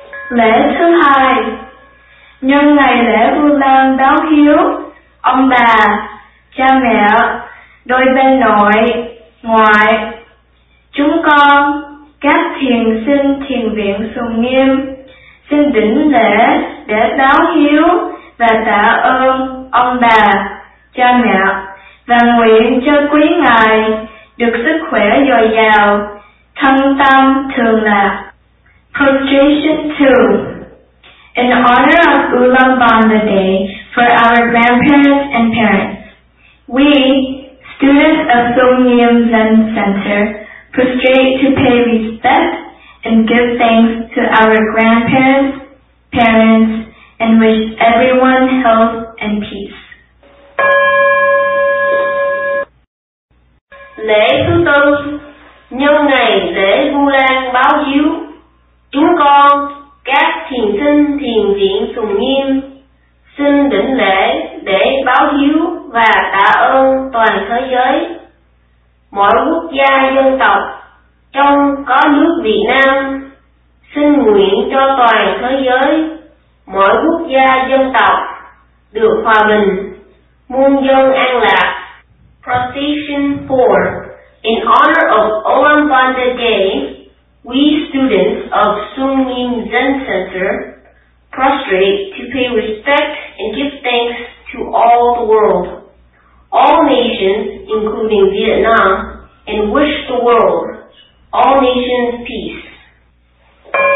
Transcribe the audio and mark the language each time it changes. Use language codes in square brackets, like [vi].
[vi] Lễ thứ hai, nhân ngày lễ Vu Lan đón hiếu, ông bà, cha mẹ, đôi bên nội, ngoại, chúng con, các thiền sinh thiền viện Sùng Nghiêm, xin đỉnh lễ để đón hiếu và tạ ơn ông bà, cha mẹ, và nguyện cho quý ngài được sức khỏe dồi dào, thân tâm thường lạc. [en] Prostration 2. In honor of Ulambana Day for our grandparents and parents, we, students of Sonyam Zen Center, prostrate to pay respect and give thanks to our grandparents, parents, and wish everyone health and peace. [vi] Lễ thứ tư, nhân ngày lễ Vu Lan báo hiếu. Chúng con, các thiền sinh thiền viện Sùng Nghiêm, xin đỉnh lễ để báo hiếu và tạ ơn toàn thế giới. Mọi quốc gia dân tộc, trong có nước Việt Nam, xin nguyện cho toàn thế giới, mọi quốc gia dân tộc, được hòa bình, muôn dân an lạc. [en] Procession 4. In honor of Ulambana Day, we students of Sunyin Zen Center prostrate to pay respect and give thanks to all the world, all nations including Vietnam, and wish the world, all nations peace.